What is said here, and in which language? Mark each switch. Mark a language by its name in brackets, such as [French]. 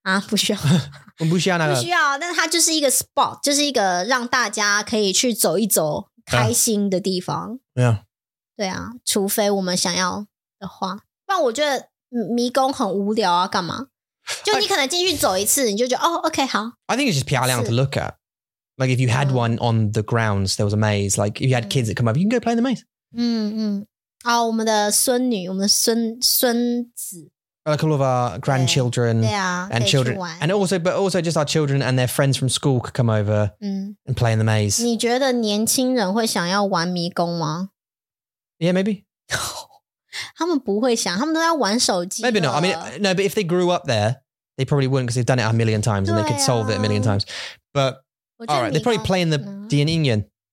[Chinese] 不需要。我们不需要那个。不需要, 但它就是一个spot, 就是一个让大家可以去走一走开心的地方。 [English] Yeah. [Chinese] 对啊, 除非我们想要的话。不然我觉得迷宫很无聊啊, 干嘛? 就你可能进去走一次, 你就觉得, 哦, OK, 好。 [English] I think it's just [Chinese] 漂亮 [English] to look at. Like if you had one on the grounds, there was a maze. Like if you had kids that come up, you can go play in the maze. A couple of our grandchildren and children. And also, but also just our children and their friends from school could come over and play in the maze. [Chinese] 你觉得年轻人会想要玩迷宫吗? [English] Yeah, maybe. [Chinese] 他们不会想,他们都在玩手机了。 [English] Maybe not. I mean, no, but if they grew up there, they probably wouldn't because they've done it a million times and they could solve it a million times. But, all right, they probably play in the [Chinese] 电影院.